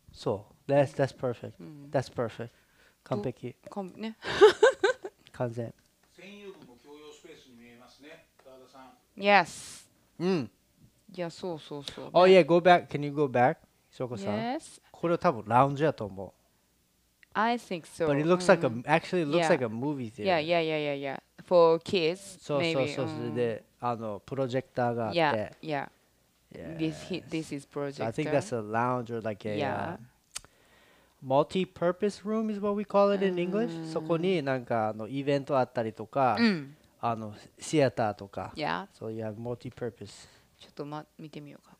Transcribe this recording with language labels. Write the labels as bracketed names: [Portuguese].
[English] So, that's perfect. That's perfect. [Japanese] 完璧。ね。完全。専用部も共用スペースに見えますね。 [English] Yes. Mm. Yeah, so, so, so. Oh, yeah, go back. Can you go back, Soko-san? Yes. [Japanese] これは多分ラウンジやと思う。 [English] I think so. But it looks like actually looks like a movie theater. Yeah, yeah, yeah, yeah, yeah. For kids, so, maybe. So, so, so, so. [Japanese] で、あの、プロジェクターがあって。 [English] Yeah, yeah. Yes. This is projector. So I think that's a lounge or like a multi-purpose room is what we call it in English. [Japanese] そこになんかあの、イベントあったりとか。あのシアターとか、 [English] yeah. So you have multi-purpose. [Japanese] ちょっと、ま、見てみようか。